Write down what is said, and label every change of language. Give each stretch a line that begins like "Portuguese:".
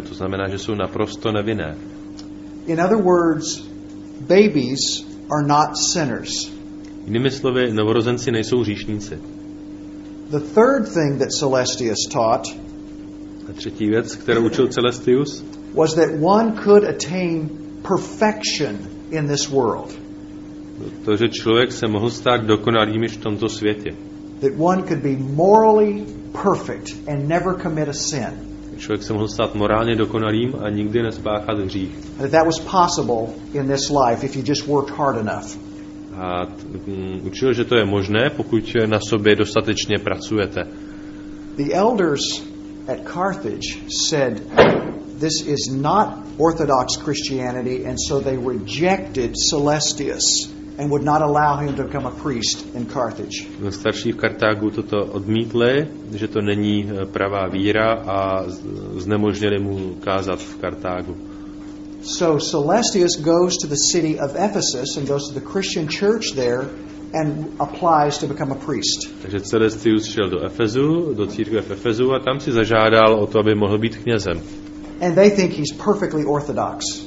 Czech: To znamená, že jsou naprosto nevinné.
English: In other words, babies are not sinners.
Czech: Jinými slovy, novorozenci nejsou hříšníci.
English: The third thing that Celestius taught,
Czech: a třetí věc, kterou učil Celestius,
English: was that one could attain perfection in this world.
Czech: To, že člověk se mohl stát dokonalým v tomto světě.
English: That one could be morally perfect and never commit a sin.
Czech: Člověk se mohl stát morálně dokonalým a nikdy nespáchat hřích.
English: That was possible in this life if you just worked hard enough.
Czech: A učil, že to je možné, pokud na sobě dostatečně pracujete.
English: The elders at Carthage said this is not orthodox Christianity, and so they rejected Celestius and would not allow him to become a priest in Carthage.
Czech: Starší v Kartágu toto odmítli, že to není pravá víra, a znemožnili mu kázat v Kartágu.
English: So Celestius goes to the city of Ephesus and goes to the Christian church there and applies to become a priest.
Czech: Takže Celestius šel do Efezu, do církve v Efezu, a tam si zažádal o to, aby mohl být knězem.
English: And they think he's perfectly orthodox.